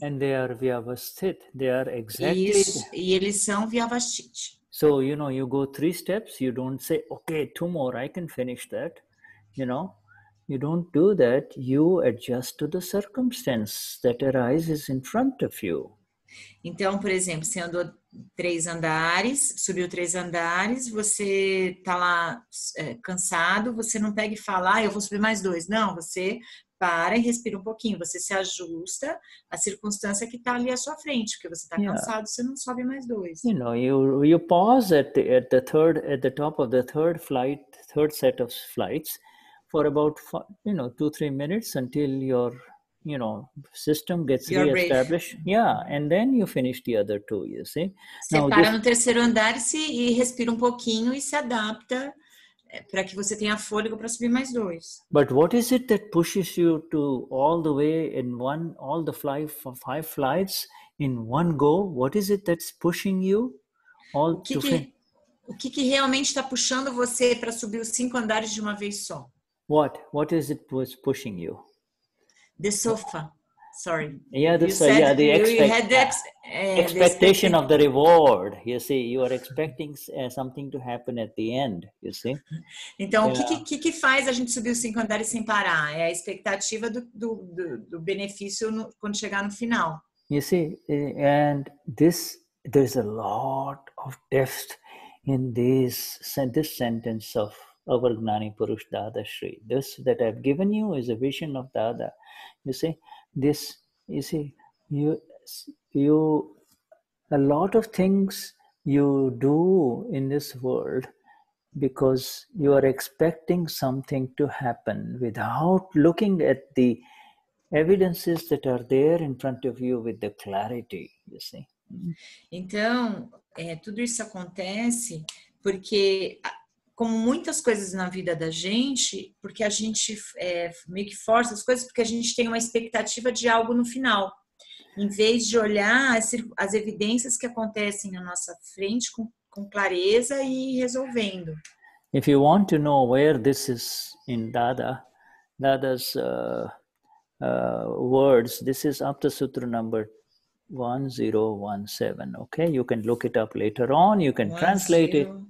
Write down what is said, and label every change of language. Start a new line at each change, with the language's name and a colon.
English: And they are vyavasthit. They are exactly.
Portuguese: Isso. E eles são vyavasthit.
English: So you know, you go 3 steps. You don't say, okay, 2 more. I can finish that. You know, you don't do that. You adjust to the circumstance that arises in front of you.
Portuguese: Então, por exemplo, você andou 3 andares, subiu 3 andares, você está lá cansado, você não pega e fala, ah, eu vou subir mais 2. Não, você para e respira um pouquinho, você se ajusta à circunstância que está ali à sua frente, porque você está cansado, você não sobe mais 2.
English: You know, you pause at the top of the third set of flights for about, you know, 2-3 minutes until you know, system gets reestablished. Yeah, and then you finish the other 2, you see.
Portuguese: Você now, para this... no terceiro andar e respira um pouquinho e se adapta para que você tenha fôlego para subir mais 2.
English: But what is it that pushes you to all the way in one, all the five flights in one go? What is it that's pushing you all to finish?
Portuguese: O que que realmente está puxando você para subir os 5 andares de uma vez só?
English: What? What is it that's pushing you? The sofa, sorry. Yeah, expectation of the reward. You see, you are expecting something to happen at the end, you see.
Portuguese: Então, o que faz a gente subir os 5 andares sem parar? É a expectativa do benefício quando chegar no final.
English: You see, and this, there's a lot of depth in this sentence of our Gnani Purush Dadashri. This that I've given you is a vision of Dada. You see, you a lot of things you do in this world because you are expecting something to happen without looking at the evidences that are there in front of you with the clarity, you see.
Portuguese: Então, tudo isso acontece porque, como muitas coisas na vida da gente, porque a gente meio que força as coisas, porque a gente tem uma expectativa de algo no final, em vez de olhar as evidências que acontecem na nossa frente com clareza e resolvendo.
English: If you want to know where this is in Dada's words, this is Aptasutra number 1017, okay? You can look it up later on, you can translate it.